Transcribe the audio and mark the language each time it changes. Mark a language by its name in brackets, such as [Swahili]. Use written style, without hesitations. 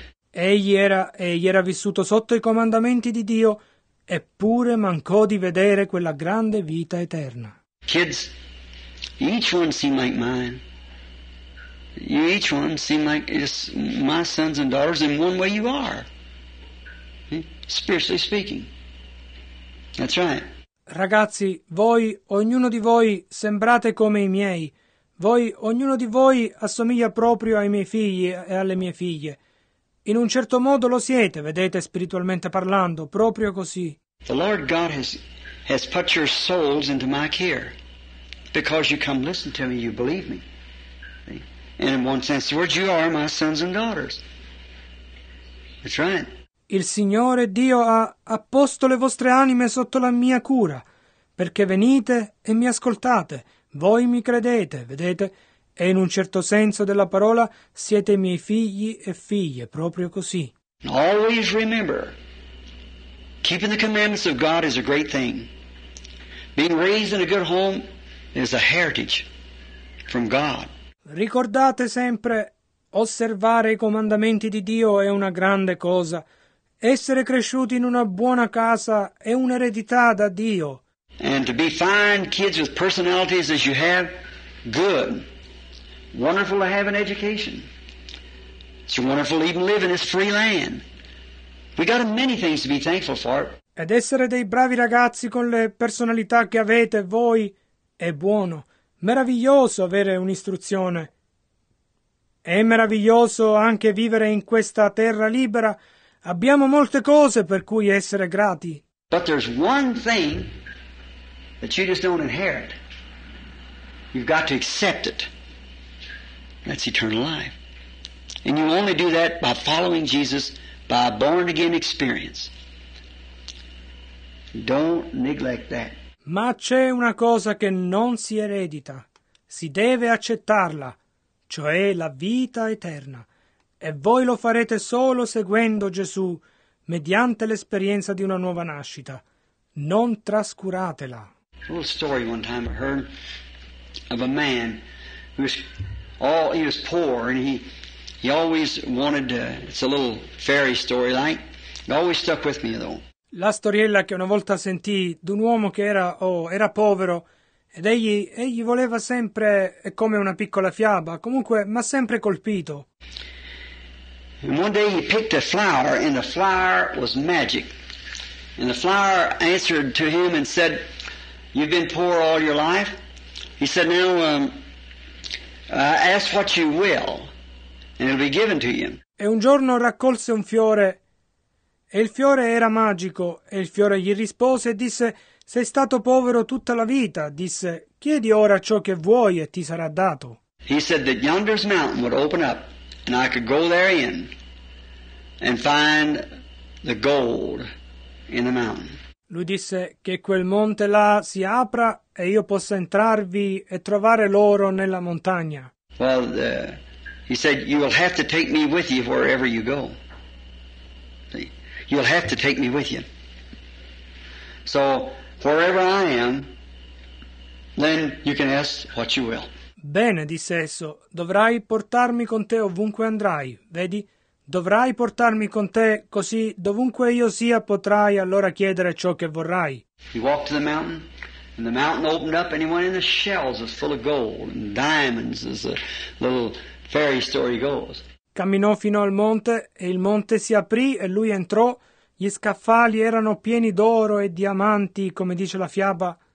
[Italian] Egli era vissuto sotto i comandamenti di Dio, eppure mancò di vedere quella grande vita eterna. [English] Kids, you each one seem like mine. You each one seem like it's my sons and daughters in one way you are, spiritually speaking. That's right. [Italian] Ragazzi, voi, ognuno di voi, sembrate come i miei. Voi, ognuno di voi, assomiglia proprio ai miei figli e alle mie figlie. In un certo modo lo siete, vedete, spiritualmente parlando, proprio così. [English] The Lord God has put your souls into my care because you come listen to me, you believe me. And in one sense, the words, you are my sons and daughters. That's right. [Italian] Il Signore Dio ha apposto le vostre anime sotto la mia cura, perché venite e mi ascoltate. Voi mi credete, vedete? E in un certo senso della parola siete miei figli e figlie, proprio così. [English] Always remember, keeping the commandments of God is a great thing. Being raised in a good home is a heritage from God. [Italian] Ricordate sempre, osservare i comandamenti di Dio è una grande cosa. Essere cresciuti in una buona casa è un'eredità da Dio. [English] And to be fine kids with personalities as you have, good. Wonderful to have an education. It's wonderful to even live in this free land. We got many things to be thankful for. [Italian] Ed essere dei bravi ragazzi con le personalità che avete voi è buono. Meraviglioso avere un'istruzione. È meraviglioso anche vivere in questa terra libera. Abbiamo molte cose per cui essere grati. [English] But there's one thing that you just don't inherit. You've got to accept it. That's eternal life. And you only do that by following Jesus, by born-again experience. Don't neglect that. [Italian] Ma c'è una cosa che non si eredita. Si deve accettarla, cioè la vita eterna. E voi lo farete solo seguendo Gesù, mediante l'esperienza di una nuova nascita. Non trascuratela. [English] A little story one time I heard of a man who was, all, he was poor and he always wanted to, it's a little fairy story like, it always stuck with me though. [Italian] La storiella che una volta sentì d'un uomo che era povero ed egli voleva sempre, è come una piccola fiaba, comunque mi ha sempre colpito. [English] And one day he picked a flower and the flower was magic. And the flower answered to him and said, you've been poor all your life? He said, now ask what you will and it'll be given to you. [Italian] E un giorno raccolse un fiore. E il fiore era magico, e il fiore gli rispose e disse, sei stato povero tutta la vita, disse, chiedi ora ciò che vuoi e ti sarà dato. [English] He said that yonder's mountain would open up, and I could go there in, and find the gold in the mountain. [Italian] Lui disse che quel monte là si apra, e io possa entrarvi e trovare l'oro nella montagna. [English] Well, he said, you will have to take me with you wherever you go. You'll have to take me with you. So, wherever I am, then you can ask what you will. [Italian] Bene, disse esso, dovrai portarmi con te ovunque andrai, vedi? Dovrai portarmi con te, così dovunque io sia potrai allora chiedere ciò che vorrai. [English] He walked to the mountain, and the mountain opened up, and he went in the shells as full of gold and diamonds, as the little fairy story goes. [Italian] Camminò fino al monte e il monte si aprì e lui entrò. Gli scaffali erano pieni d'oro e diamanti, come dice la fiaba.